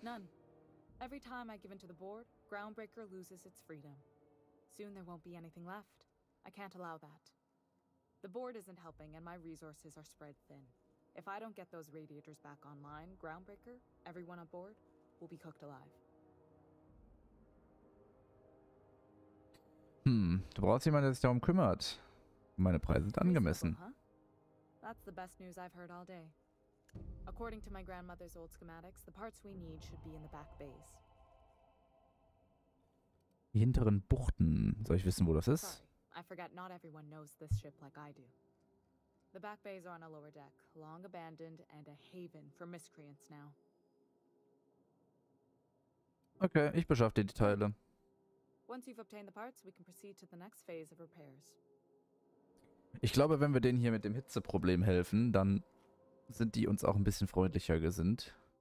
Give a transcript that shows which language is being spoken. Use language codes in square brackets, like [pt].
[en] None. Every time I give in to the board, Groundbreaker loses its freedom. Soon there won't be anything left. I can't allow that. The board isn't helping and my resources are spread thin. If I don't get those radiators back online, Groundbreaker, everyone on board, will be cooked alive. [de] Hm, du brauchst jemanden, der sich darum kümmert. Meine Preise sind angemessen. [en] That's the best news I've heard all day. According to my grandmother's old schematics, the parts we need should be in the back bays. [de] Die hinteren Buchten. Soll ich wissen, wo das ist? [en] I forget not everyone knows this ship like I do. The back bays are on a lower deck, long abandoned and a haven for miscreants now. [de] Okay, ich beschaffe dir die Teile. [en] Once you've obtained the parts, we can proceed to the next phase of repairs. [de] Ich glaube, wenn wir denen hier mit dem Hitzeproblem helfen, dann sind die uns auch ein bisschen freundlicher gesinnt.